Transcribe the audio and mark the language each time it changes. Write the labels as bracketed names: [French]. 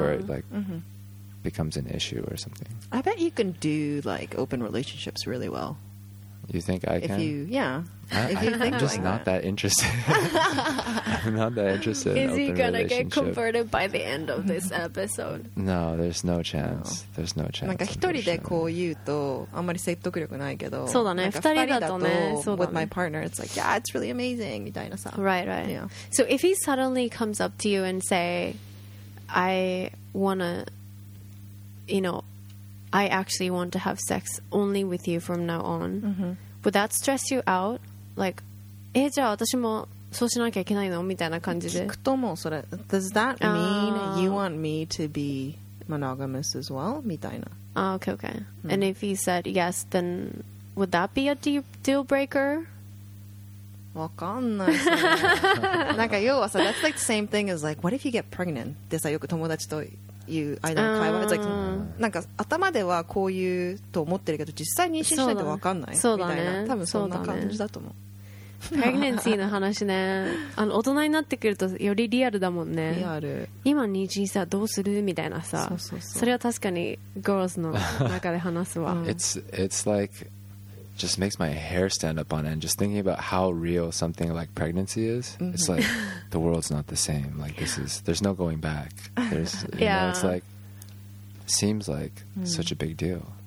[English] where it, like.、Mm-hmm. becomes an issue or something. I bet you can do like open relationships really well. You think I can? If you, yeah. I'm just not that interested. I'm not that interested in open relationships. Is he gonna get converted by the end of this episode? No, there's no chance. No. There's no chance. [Japanese] なんか一人でこう言うとあんまり説得力ないけど。そうだね。二人だとね。そうだね。 [English] With my partner, it's like, yeah, it's really amazing. [Japanese] みたいなさ。 [English] Right, right. Yeah. So if he suddenly comes up to you and say, I wanna... You know, I actually want to have sex only with you from now on. Mm-hmm. Would that stress you out? [Japanese] Like, じゃあ私もそうしなきゃいけないの? みたいな感じで。聞くともそれ。 [English] Does that mean you want me to be monogamous as well? [Japanese] みたいな。 [English] Ah, okay, okay. Mm. And if he said yes, then would that be a deal breaker? [Japanese] わかんない。なんか要はさ、 [English] that's like the same thing as like, what if you get pregnant? [Japanese] でさ、よく友達と言う間の会話、like, なんか頭ではこう言うと思ってるけど、実際妊娠しないとわかんない。そうだね。多分そんな感じだと思う。 Pregnancy の話ね。あの大人になってくるとよりリアルだもんね。リアル。今妊娠さどうするみたいなさ。そうそうそう。それは確かに girls の中で話すわ。 [English] it's like... just makes my hair stand up on end just thinking about how real something like pregnancy is、mm-hmm. it's like the world's not the same like this is there's no going back there's you yeah know, it's like seems like、mm. such a big deal